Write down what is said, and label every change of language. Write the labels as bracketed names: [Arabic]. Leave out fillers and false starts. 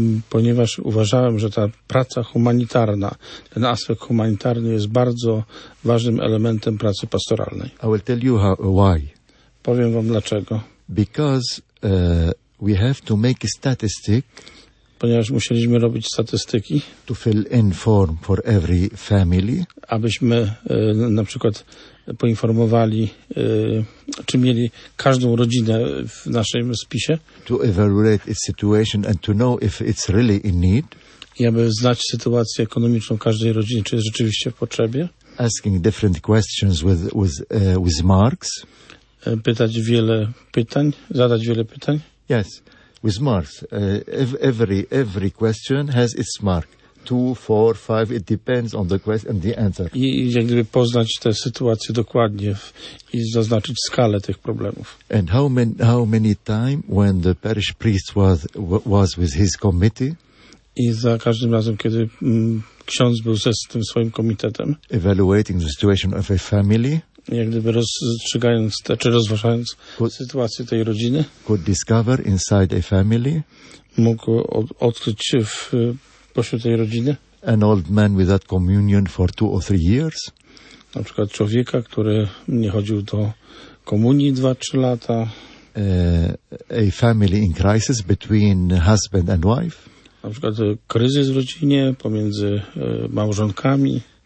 [Polish] Ponieważ uważałem, że ta praca humanitarna, ten aspekt humanitarny jest bardzo ważnym elementem pracy pastoralnej. [English] I will tell you why. [Polish] Powiem wam dlaczego. [English] Because we have to make a statistic. [Polish] Ponieważ musieliśmy robić statystyki. [English] To fill in form for every family. [Polish] Abyśmy na przykład poinformowali, czy mieli każdą rodzinę w naszym spisie. [English] To evaluate its situation and to know if it's really in need. [Polish] I aby znać sytuację ekonomiczną każdej rodziny, czy jest rzeczywiście w potrzebie. [English] Asking different questions with marks. [Polish] Pytać wiele pytań, zadać wiele pytań. [English] Yes. With marks. Every question has its mark. 2, 4, 5, it depends on the question and the answer. [Polish] I jak gdyby poznać tę sytuację dokładnie i zaznaczyć skalę tych problemów. [English] And how many times when the parish priest was with his committee? [Polish] I za każdym razem, kiedy ksiądz był ze tym swoim komitetem. [English] Evaluating the situation of a family. [Polish] Jak gdyby rozstrzygając te, czy rozważając sytuację tej rodziny, [English] could discover inside a family, [Polish] mógł odkryć pośród tej rodziny [English] an old man without communion for 2 or 3 years, [Polish] na przykład człowieka, który nie chodził do komunii 2-3 lata, [English] a family in crisis between husband and wife, [Polish] na przykład kryzys w rodzinie pomiędzy małżonkami.